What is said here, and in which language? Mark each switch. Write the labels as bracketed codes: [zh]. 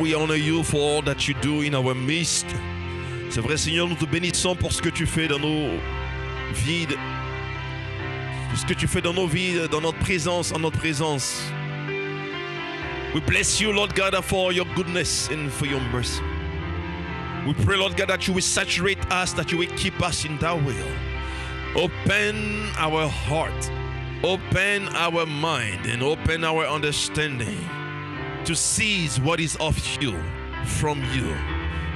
[en] We honor you for all that you do in our midst. [fr] C'est vrai, Seigneur, nous te bénissons pour ce que tu fais dans nos vides. Pour ce que tu fais dans nos vides, dans notre présence, en notre présence. [en] We bless you, Lord God, for your goodness and for your mercy. We pray, Lord God, that you will saturate us, that you will keep us in thy will. Open our heart, open our mind, and open our understanding to seize what is of you, from you.